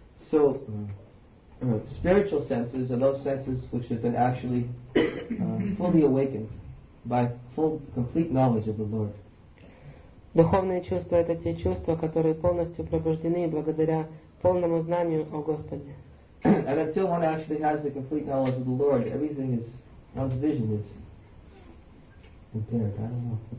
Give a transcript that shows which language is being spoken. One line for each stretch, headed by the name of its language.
English: So, spiritual senses are those senses which have been actually fully awakened by full, complete knowledge of the Lord.
Russian: Духовные чувства — это те чувства, которые полностью пробуждены благодаря полному знанию о Господе.
English: And until one actually has the complete knowledge of the Lord, everything is, one's vision is impaired. I don't know.